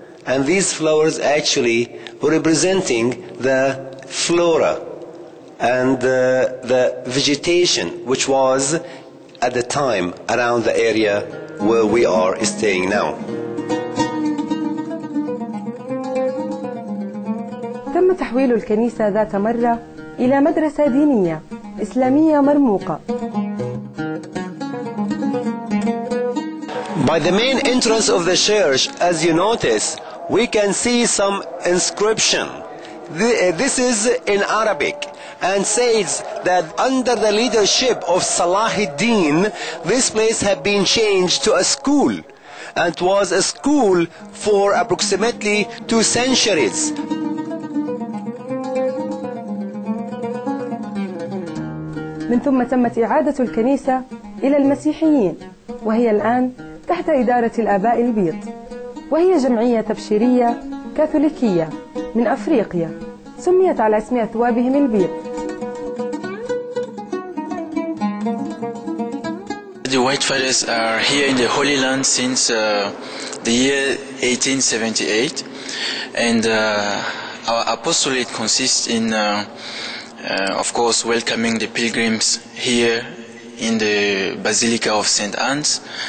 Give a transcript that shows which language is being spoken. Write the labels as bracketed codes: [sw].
[en] And these flowers actually representing the flora and the vegetation which was at the time around the area where we are staying now. [ar] تم تحويل الكنيسة ذات مرة إلى مدرسة دينية إسلامية مرموقة. [en] By the main entrance of the church, as you notice, we can see some inscription. this is in Arabic, and says that under the leadership of Salah al-Din, this place had been changed to a school, and was a school for approximately 2 centuries. [ar] من ثم تمت إعادة الكنيسة إلى المسيحيين، وهي الآن تحت إدارة الآباء البيض، وهي جمعية تبشيرية كاثوليكية من أفريقيا، سميت على اسم أثوابهم البيض. [en] The White Fathers are here in the Holy Land since the year 1878, and our apostolate consists in of course welcoming the pilgrims here in the Basilica of St. Anne's.